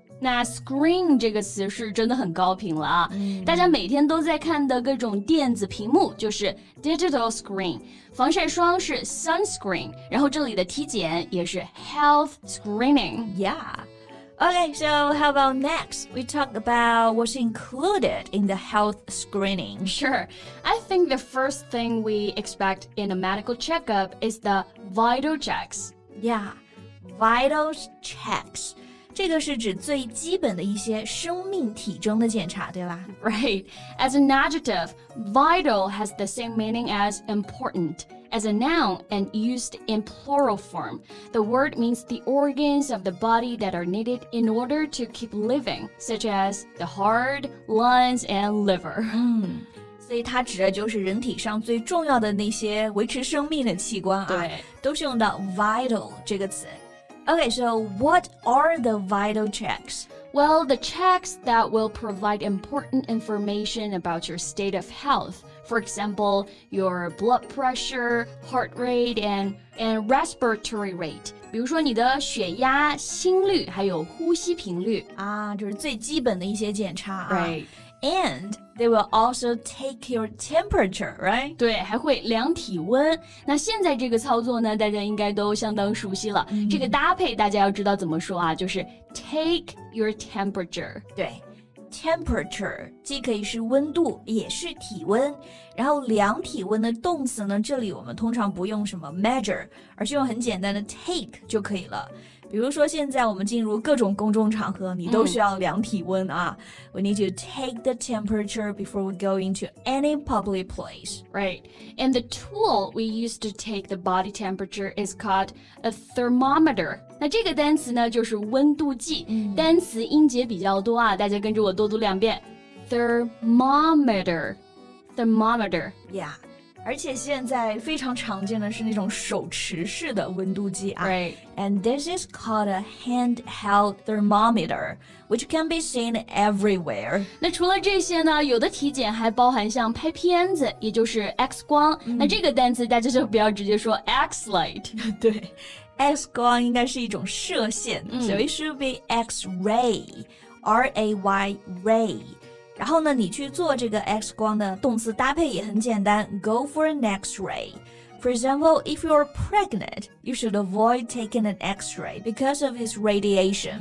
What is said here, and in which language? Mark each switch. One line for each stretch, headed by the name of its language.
Chinese: 那 screen 这个词是真的很高频了啊、大家每天都在看的各种电子屏幕就是 digital screen 防晒霜是 sunscreen 然后这里的体检也是 health screening
English: YeahOkay, so how about next? We talk about what's included in the health screening. Sure. I think the first thing we expect in a medical checkup is the vital checks. Yeah, vital checks.
Chinese: 这个是指最基本的一些生命体征的检查，对吧？
English: Right. As an adjective, vital has the same meaning as important. As a noun and used in plural form, the word means the organs of the body that are needed in order to keep living, such as the heart, lungs, and liver.
Chinese: 所以它指的就是人体上最重要的那些维持生命的器官啊，对，都是用到
English: vital 这个词。Okay, so what are the vital checks? Well, the checks that will provide important information about your state of health, for example, your blood pressure, heart rate, and respiratory rate.
Chinese: 比如说你的血压、心率还有呼吸频率啊，就是最基本的一些检查啊。
English: Right. And they will also take your temperature, right?
Chinese: 对，还会量体温。那现在这个操作呢，大家应该都相当熟悉了。这个搭配大家要知道怎么说啊，就是 take your temperature。对。Temperature 既可以是温度也是体温然后量体温的动词呢这里我们通常不用什么 measure 而是用很简单的 take 就可以了比如说现在我们进入各种公众场合你都需要量体温啊、
English: We need to take the temperature before we go into any public place Right, and the tool we use to take the body temperature is called a thermometer
Chinese: 那这个单词呢就是温度计、单词音节比较多啊大家跟着我多读两遍
English: Thermometer
Chinese: Yeah 而且现在非常常见的是那种手持式的温度计啊
English: Right And this is called a handheld thermometer Which can be seen everywhere
Chinese: 那除了这些呢有的体检还包含像拍片子也就是 X 光、那这个单词大家就不要直接说 X light 对X 光应该是一种射线、所以
English: should be X-ray R-A-Y Ray
Chinese: 然后呢你去做这个 X 光的动词搭配也很简单
English: Go for an X-ray For example, if you're pregnant You should avoid taking an X-ray Because of its radiation